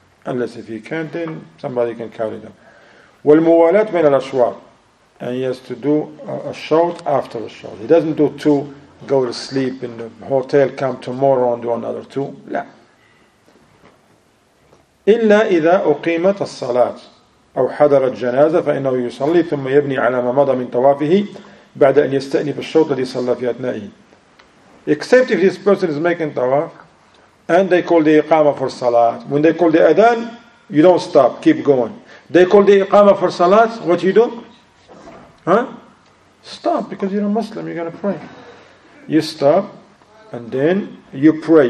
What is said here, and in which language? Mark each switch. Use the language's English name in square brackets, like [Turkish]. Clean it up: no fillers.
[English] Unless if he can't, then somebody can carry them. [Arabic] وَالْمُوَالَاتْ مِنَ الْأَشْوَارِ [English] And he has to do a short after a short. He doesn't do two, go to sleep in the hotel, come tomorrow and do another two. [Arabic] لا. إِلَّا إِذَا أُقِيمَتَ الصَّلَاةِ أَوْ حَضَرَ الْجَنَازَةِ فَإِنَّهُ يُصَلِّي ثُمَّ يَبْنِي عَلَى مَا مَضَى مِنْ طَوَافِهِ بعد أن يستأنف الشوط الذي صلى في أثنائه. [English] Except if this person is making tawaf and they call the iqama for salat. When they call the adhan, you don't stop, keep going. They call the iqama for salat, what you do? Huh? Stop, because you're a Muslim, you're going to pray. You stop and then you pray.